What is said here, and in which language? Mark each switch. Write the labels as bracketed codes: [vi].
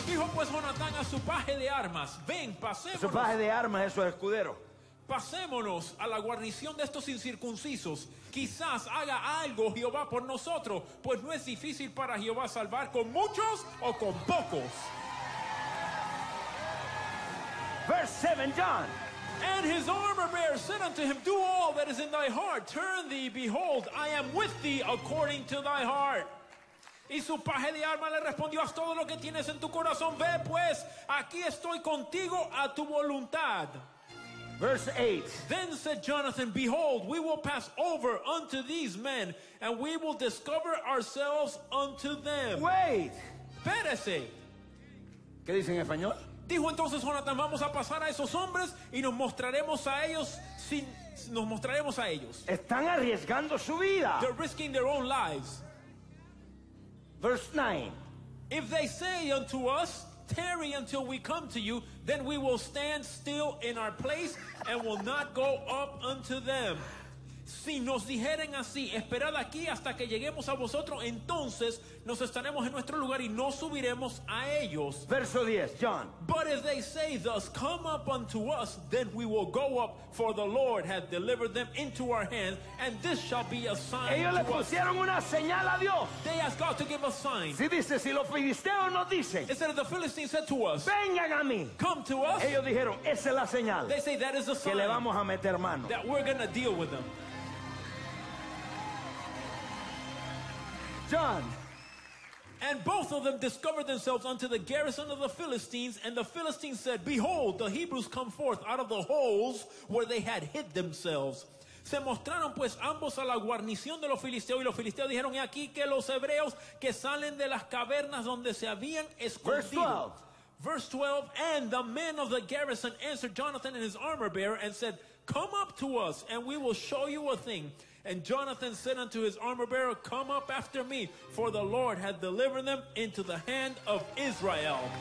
[es] Dijo pues Jonatán a su paje de armas: ven, pasemos. Su paje de armas es su escudero. Pasémonos a la guarnición de estos incircuncisos. Quizás haga algo Jehová por nosotros, pues no es difícil para Jehová salvar con muchos o con pocos. [en] Verse 7, John. And his armor bearer said unto him, do all that is in thy heart. Turn thee, behold, I am with thee according to thy heart. [es] Y su paje de armas le respondió, haz todo lo que tienes en tu corazón. Ve pues, aquí estoy contigo a tu voluntad. [en] Verse 8. Then said Jonathan, behold, we will pass over unto these men, and we will discover ourselves unto them. Wait. [es] Pérese. ¿Qué dice en español? Dijo entonces Jonathan, vamos a pasar a esos hombres y nos mostraremos a ellos sin, nos mostraremos a ellos. Están arriesgando su vida. [en] They're risking their own lives. Verse 9. If they say unto us, tarry until we come to you, then we will stand still in our place and will not go up unto them. [es] Si nos dijeren así, esperad aquí hasta que lleguemos a vosotros, entonces nos estaremos en nuestro lugar y no subiremos a ellos. Verso 10, John. [en] But if they say thus, come up unto us, then we will go up, for the Lord hath delivered them into our hands, and this shall be a sign to us. [es] Ellos le pusieron una señal a Dios. [en] They asked God to give a sign. [es] Si dice, si los filisteos nos dicen. [en] Instead of the Philistines said to us, [es] vengan a mí. [en] Come to us. [es] Ellos dijeron, esa es la señal. [en] They say that is a sign. [es] Que le vamos a meter mano. [en] That we're going to deal with them. John. And both of them discovered themselves unto the garrison of the Philistines, and the Philistines said, behold, the Hebrews come forth out of the holes where they had hid themselves. [es] Se mostraron pues ambos a la guarnición de los filisteos, y los filisteos dijeron, he aquí que los hebreos que salen de las cavernas donde se habían escondido. [en] Verse 12. Verse 12, and the men of the garrison answered Jonathan and his armor bearer and said, come up to us, and we will show you a thing. And Jonathan said unto his armor bearer, come up after me, for the Lord had delivered them into the hand of Israel.